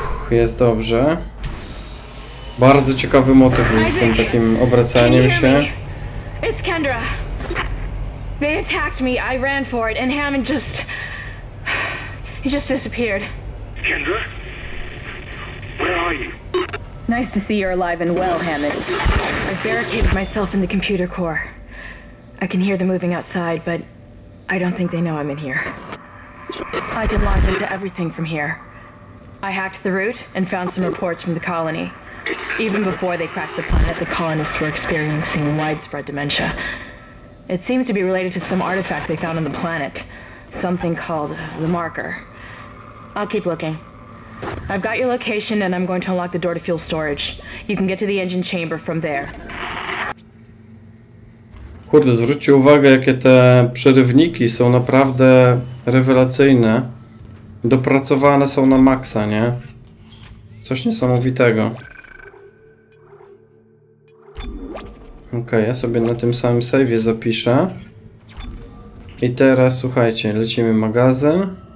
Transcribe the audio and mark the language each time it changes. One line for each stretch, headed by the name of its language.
Polish: Jest dobrze. Bardzo ciekawy motyw był z tym takim obracaniem się.
English: It's Kendra. They attacked me. I ran for it and Hammond just he just disappeared. Kendra? Where are you? Nice to see you're alive and well, Hammond. I barricaded myself in the computer core. I can hear them moving outside, but I don't think they know I'm in here. I can log into everything from here. I hacked the route and found some reports from the colony. Even before they cracked the planet, the colonists were experiencing widespread dementia. It seems to be related to some artifact they found on the planet. Something called the marker. I'll keep looking. I've got your location and I'm going to unlock the door to fuel storage. You can get to the engine chamber from there.
Polish: Kurde, zwróćcie uwagę, jakie te przerywniki są naprawdę rewelacyjne. Dopracowane są na maksa, nie? Coś niesamowitego. Okej, ja sobie na tym samym save'ie zapiszę. I teraz, słuchajcie, lecimy magazyn.